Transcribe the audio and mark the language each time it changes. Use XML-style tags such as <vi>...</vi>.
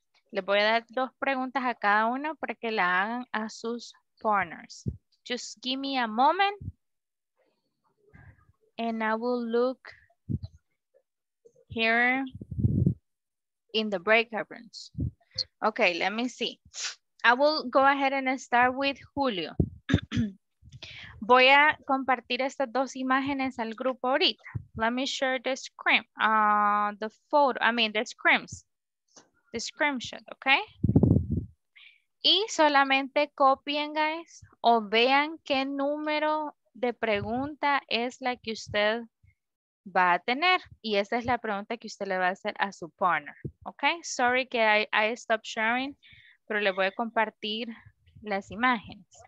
<es>Les voy a dar dos preguntas a cada uno para que la hagan a sus partners.</es> <en>Just give me a moment and I will look here in the breakout rooms. Okay, let me see. I will go ahead and start with Julio.</en> <es>Voy a compartir estas dos imágenes al grupo ahorita.</es> <en>Let me share the screen, the screenshot, okay?</en> <es>Y solamente copien, guys, o vean qué número de pregunta es la que usted va a tener. Y esa es la pregunta que usted le va a hacer a su partner, okay? Sorry que</es> <en>I stopped sharing,</en> <es>pero le voy a compartir las imágenes.</es>